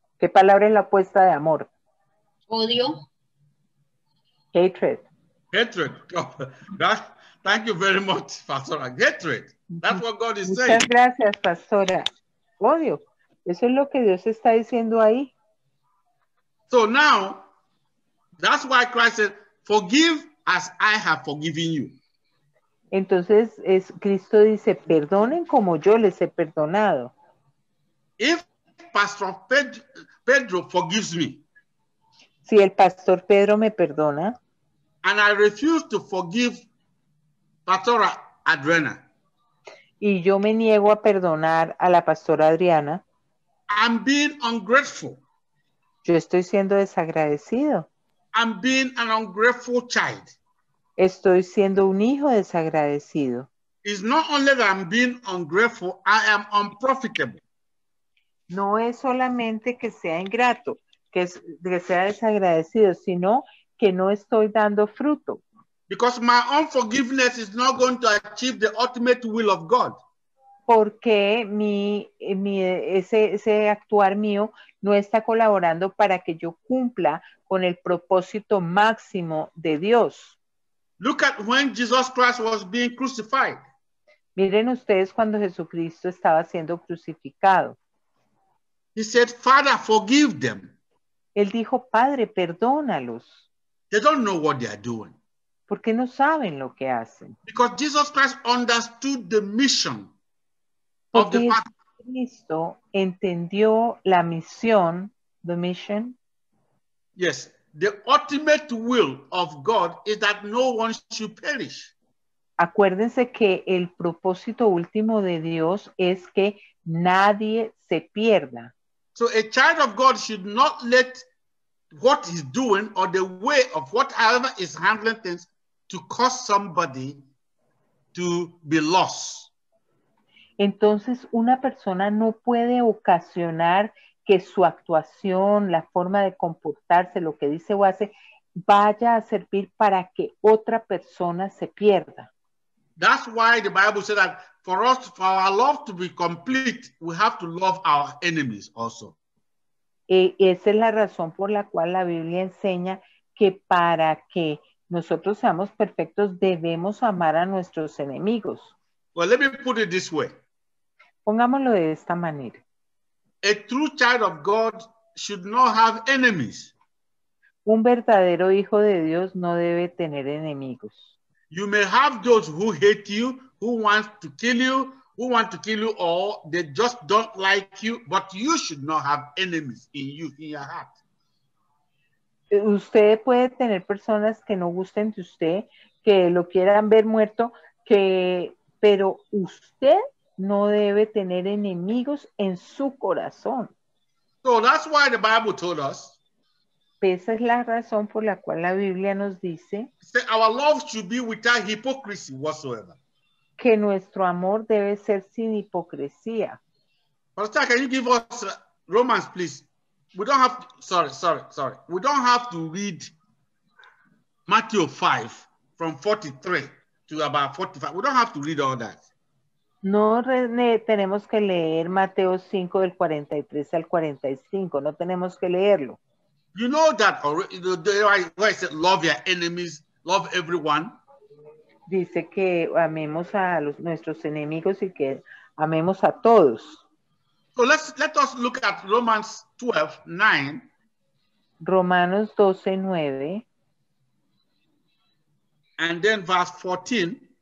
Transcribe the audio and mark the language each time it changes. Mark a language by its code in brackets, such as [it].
[es] ¿Qué palabra es la opuesta de amor? Odio. [en] Hatred. Hatred. Thank you very much, Pastor. Hatred. That's what God is [es] Muchas [en] saying. [es] Gracias, pastora. Odio. Eso es lo que Dios está diciendo ahí. [en] So now, that's why Christ said, forgive as I have forgiven you. [es] Entonces, Cristo dice, perdonen como yo les he perdonado. [en] If Pastor Pedro forgives me, [es] si el Pastor Pedro me perdona, [en] and I refuse to forgive Pastora Adriana, [es] y yo me niego a perdonar a la Pastora Adriana, [en] I'm being ungrateful. [es] Yo estoy siendo desagradecido. [en] I'm being an ungrateful child. [es] Estoy siendo un hijo desagradecido. [en] It's not only that I'm being ungrateful, I am unprofitable. [es] No es solamente que sea ingrato, que sea desagradecido, sino que no estoy dando fruto. [en] Because my unforgiveness is not going to achieve the ultimate will of God. [es] Porque ese actuar mío no está colaborando para que yo cumpla con el propósito máximo de Dios. [en] Look at when Jesus Christ was being crucified. [es] Miren ustedes cuando Jesucristo estaba siendo crucificado. [en] He said, Father, forgive them. [es] Él dijo, Padre, perdónalos. [en] They don't know what they are doing. [es] Porque no saben lo que hacen. [en] Because Jesus Christ understood the mission of the Father. [es] Cristo entendió la misión, [en] the mission. Yes. The ultimate will of God is that no one should perish. [es] Acuérdense que el propósito último de Dios es que nadie se pierda. [en] So a child of God should not let what he's doing or the way of whatever is handling things to cause somebody to be lost. [es] Entonces una persona no puede ocasionar que su actuación, la forma de comportarse, lo que dice o hace, vaya a servir para que otra persona se pierda. [en] That's why the Bible says that for our love to be complete, we have to love our enemies also. [es] Y esa es la razón por la cual la Biblia enseña que para que nosotros seamos perfectos, debemos amar a nuestros enemigos. [en] Well, let me put it this way. [es] Pongámoslo de esta manera. [en] A true child of God should not have enemies. [es] Un verdadero hijo de Dios no debe tener enemigos. [en] You may have those who hate you, who want to kill you, who want to kill you or they just don't like you, but you should not have enemies in you, in your heart. [es] Usted puede tener personas que no gusten de usted, que lo quieran ver muerto, pero usted no debe tener enemigos en su corazón. [en] So that's why the Bible told us. [es] Esa es la razón por la cual la Biblia nos dice. [en] Say our love should be without hypocrisy whatsoever. [es] Que nuestro amor debe ser sin hipocresía. [en] Pastor, can you give us Romans, please? We don't have to, sorry. We don't have to read Matthew 5 from 43 to about 45. We don't have to read all that. [es] No tenemos que leer Mateo 5 del 43 al 45. No tenemos que leerlo. [en] You know that already. Where I said love your enemies, love everyone. [es] Dice que amemos a nuestros enemigos y que amemos a todos. [en] So let us look at Romans 12:9. [es] Romanos 12:9. [en] And then verse 14.